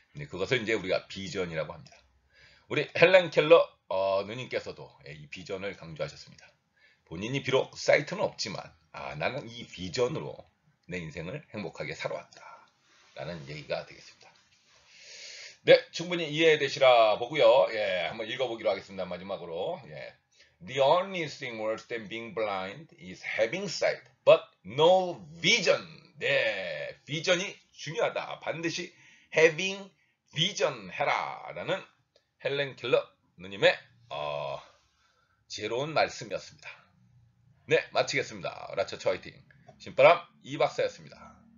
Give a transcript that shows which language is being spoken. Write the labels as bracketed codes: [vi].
[ko] 그것을 이제 우리가 비전이라고 합니다. 우리 헬렌 켈러 누님께서도 이 비전을 강조하셨습니다. 본인이 비록 사이트는 없지만, 나는 이 비전으로 내 인생을 행복하게 살아왔다. 라는 얘기가 되겠습니다. 네, 충분히 이해되시라 보고요. 예, 한번 읽어보기로 하겠습니다. 마지막으로. 예. [en] The only thing worse than being blind is having sight, but no vision. [ko] 네, 비전이 중요하다. 반드시 [en] having vision [ko] 해라. 라는 헬렌 켈러 누님의 지혜로운 말씀이었습니다. 네, 마치겠습니다. 라처 초이팅. 신바람 이 박사였습니다.